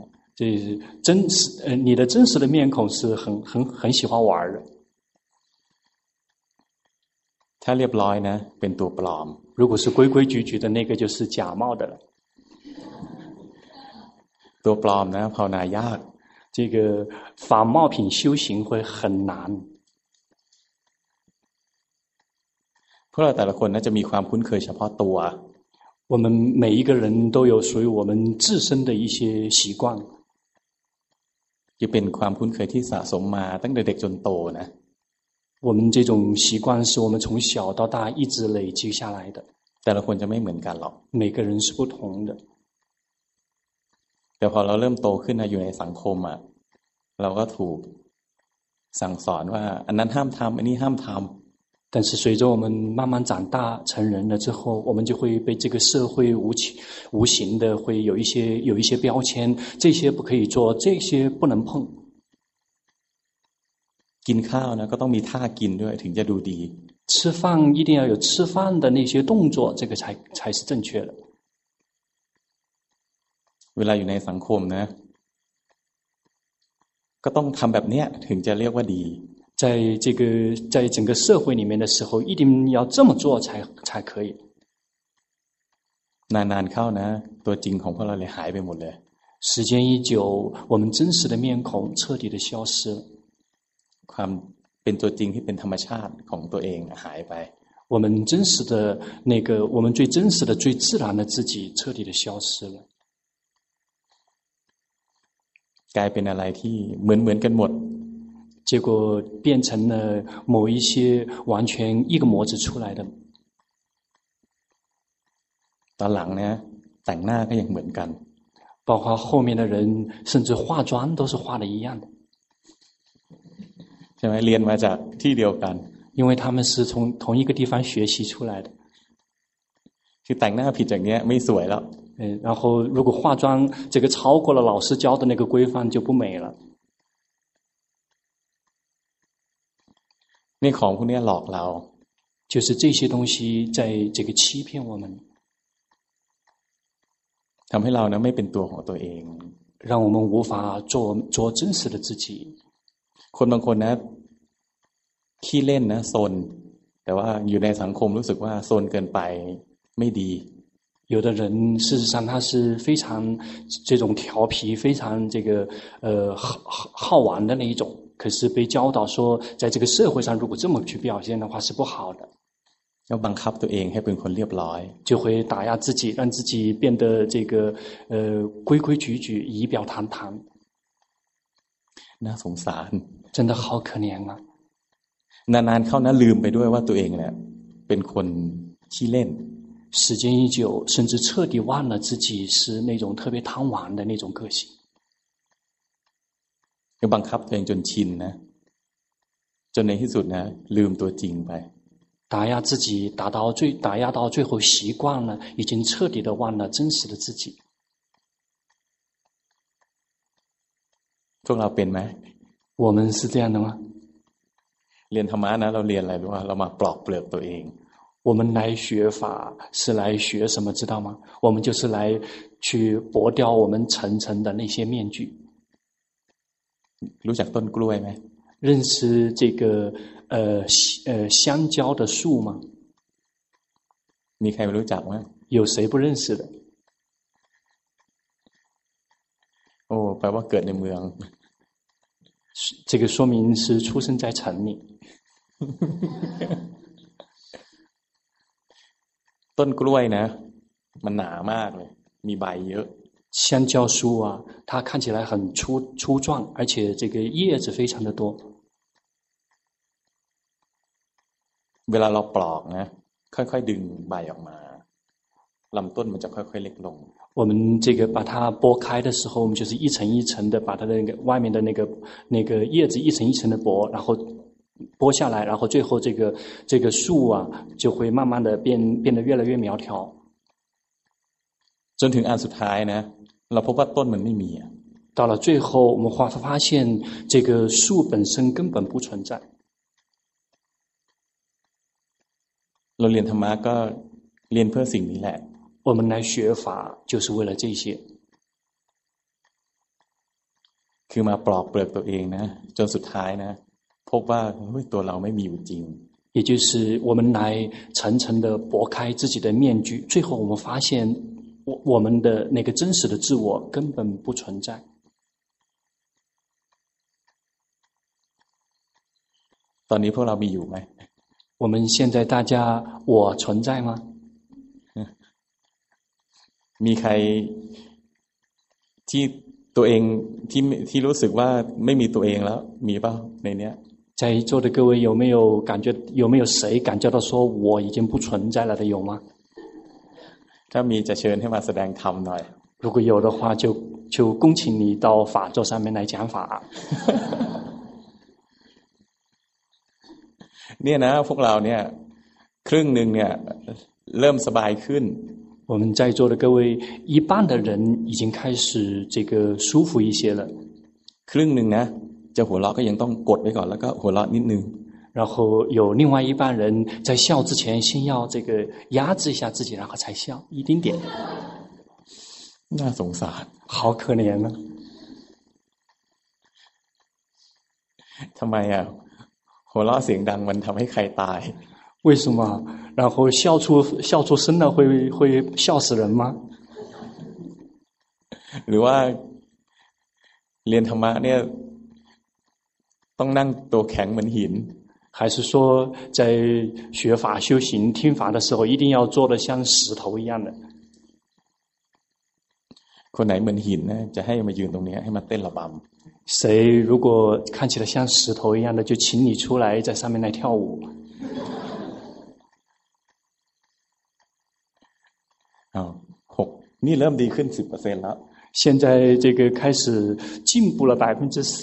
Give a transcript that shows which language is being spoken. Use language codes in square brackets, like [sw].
[zh] 这是真实你的真实的面孔是很喜欢玩的 [th] ถ้าเรียบร้อยนะเป็นตัวปลอม [zh] 如果是规规矩矩的那个就是假冒的了 [th] ตัวปลอมนะภาวนายาก [zh] 这个仿冒品修行会很难 [th] พวกเราแต่ละคนนะจะมีความคุ้นเคยเฉพาะตัว [zh] 我们每一个人都有属于我们自身的一些习惯 [th] จะเป็นความคุ้นเคยที่สะสมมาตั้งแต่เด็กจนโตนะ [zh] 我们这种习惯是我们从小到大一直累积下来的 [th] แต่ละคนจะไม่เหมือนกันหรอก [zh] 每个人是不同的 [th] แต่พอเราเริ่มโตขึ้นนะอยู่ในสังคมอะเราก็ถูกสั่งสอนว่าอันนั้นห้ามทำอันนี้ห้ามทำ [zh] 但是随着我们慢慢长大成人了之后我们就会被这个社会无形的会有一些标签这些不可以做这些不能碰 [th] กินข้าวนะก็ต้องมีท่ากินด้วยถึงจะดูดี [zh] 吃饭一定要有吃饭的那些动作这个才是正确的 [th] เวลาอยู่ในสังคมนะก็ต้องทำแบบเนี้ยถึงจะเรียกว่าดี [zh] 在这个在整个社会里面的时候一定要这么做才可以 [th] นานๆเข้านะตัวจริงของพวกเราเลยหายไปหมดเลย [zh] 时间一久我们真实的面孔彻底的消失 [th] ความเป็นตัวจริงที่เป็นธรรมชาติของตัวเองหายไป [zh] 我们真实的那个我们最真实的最自然的自己彻底的消失了 [th] กลายเป็นอะไรที่เหมือนกันหมด [zh] 结果变成了某一些完全一个模子出来的 [th] ตอนหลังเนี่ยแต่งหน้าก็ยังเหมือนกัน [zh] 包括后面的人甚至化妆都是化的一样的 [th] ใช่ไหมเรียนมาจากที่เดียวกัน [zh] 因为他们是从同一个地方学习出来的 [th] คือแต่งหน้าผิดอย่างเงี้ยไม่สวยแล้ว [zh] เออ然后如果化妆这个超过了老师教的那个规范就不美了 [th] นี่ของพวกนี้หลอกเรา [zh] 就是这些东西在这个欺骗我们 [th] ทำให้เราเนี่ยไม่เป็นตัวของตัวเอง [zh] 让我们无法做真实的自己 [th] คนบางคนนะขี้เล่นนะโซนแต่ว่าอยู่ในสังคมรู้สึกว่าโซนเกินไปไม่ดี [zh] 有的人事实上他是非常这种调皮，非常这个好玩的那一种，可是被教导说在这个社会上如果这么去表现的话是不好的， [th] 要บังคับตัวเองให้เป็นคนเรียบร้อย， [zh] 就会打压自己，让自己变得这个规规矩矩，仪表堂堂。 [th] น่าสงสาร， [zh] 真的好可怜啊。 [th] นานๆเข้านะลืมไปด้วยว่าตัวเองเนี่ยเป็นคนขี้เล่น。 [zh] 时间一久，甚至彻底忘了自己是那种特别贪玩的那种个性。 [th] 要บังคับตัวเองจนชินนะ，จนในที่สุดนะลืมตัวจริงไป。 [zh] 打压自己打压到最后习惯了，已经彻底的忘了真实的自己。 [th] พวกเราเป็นไหม？ [zh] 我们是这样的吗？ [th] เรียนธรรมะนะเราเรียนอะไรรู้ว่าเรามาปลอกเปลือกตัวเอง。 [zh] 我们来学法是来学什么知道吗？我们就是来去剥掉我们层层的那些面具。 [th] รู้จักต้นกล้วยไหม？ [zh] 认识这个香蕉的树吗？ [th] มีใครรู้จักไหม？ [zh] 有谁不认识的？ [th] โอ้แปลว่าเกิดในเมือง。 [zh] 这个说明是出生在城里。 [th] ต้นกล้วยนะมันหนามากเลยมีใบเยอะ。 [zh] 香蕉树啊，它看起来很粗壮，而且这个叶子非常的多。 [th] เวลาเราปลอกนะค่อยๆดึงใบออกมาลำต้นมันจะค่อยๆเล็กลง [zh] 我们这个把它剥开的时候我们就是一层一层的把它的那个外面的那个叶子一层一层的剥然后剥下来然后最后这个树啊就会慢慢的变得越来越苗条 [th] จนถึงอันสุดท้ายนะเราพบว่าต้นมันไม่มี [zh] 到了最后我们发现这个树本身根本不存在 [th] เราเรียนธรรมะก็เรียนเพื่อสิ่งนี้แหละ [zh] 我们来学法就是为了这些 [th] คือมาปลอกเปลือกตัวเองนะจนสุดท้ายนะพบว่าตัวเราไม่มีอยู่จริง [zh] 也就是我们来层层的剥开自己的面具最后我们发现我们的那个真实的自我根本不存在 [th] ตอนนี้พวกเรามีอยู่ไหม [zh] 我们现在大家我存在吗 [th] มีใครที่ตัวเองที่รู้สึกว่าไม่มีตัวเองแล้วมีป่าวในเนี้ย [zh] 在座的各位有没有谁感觉到说我已经不存在了的有吗 [th] ถ้ามีจะเชิญให้มาแสดงธรรมหน่อย [zh] 如果有的话就恭请你到法座上面来讲法 [th] เนี่ยนะพวกเราเนี่ยครึ่งหนึ่งเนี่ยเริ่มสบายขึ้น [zh] 我们在座的各位一半的人已经开始这个舒服一些了 [th] ครึ่งหนึ่งนะจะหัวเราะก็ยังต้องกดไว้ก่อนแล้วก็หัวเราะนิดนึง [zh] 然后有另外一半人在笑之前先要这个压制一下自己然后才笑一丁点 [th] น่าสงสาร [zh] 好可怜啊 [th] ทำไมอ่ะหัวเราะเสียงดังมันทำให้ใครตาย [zh] 为什么然后笑出声了会笑死人吗 [th] หรือว่าเรียนธรรมะเนี่ยต้องนั่งตัวแข็งเหมือนหิน [zh] 还是说在学法修行听法的时候一定要做得像石头一样的 [th] คนไหนเหมือนหินนะจะให้มายืนตรงนี้ให้มาเต้นระบำ [zh] 谁如果看起来像石头一样的就请你出来在上面来跳舞 [th] 6นี่เริ่มดีขึ้น 10% แล้ว [zh] 现在这个开始进步了 10%